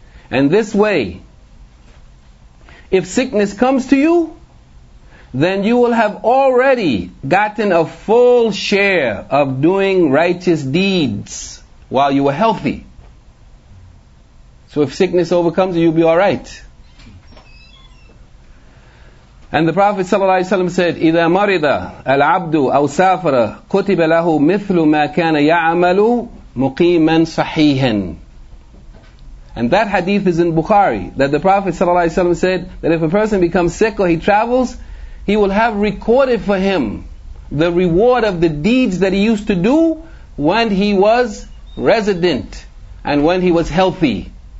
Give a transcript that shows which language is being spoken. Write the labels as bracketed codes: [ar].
[en] And this way, if sickness comes to you, then you will have already gotten a full share of doing righteous deeds while you were healthy. So if sickness overcomes you, you'll be alright. And the Prophet ﷺ said, [ar] إِذَا مَرِضَ الْعَبْدُ أَوْ سَافَرَ كُتِبَ لَهُ مِثْلُ مَا كَانَ يَعْمَلُ مُقِيمًا صَحِيحًا. [en] And that hadith is in Bukhari, that the Prophet ﷺ said that if a person becomes sick or he travels, he will have recorded for him the reward of the deeds that he used to do when he was resident and when he was healthy.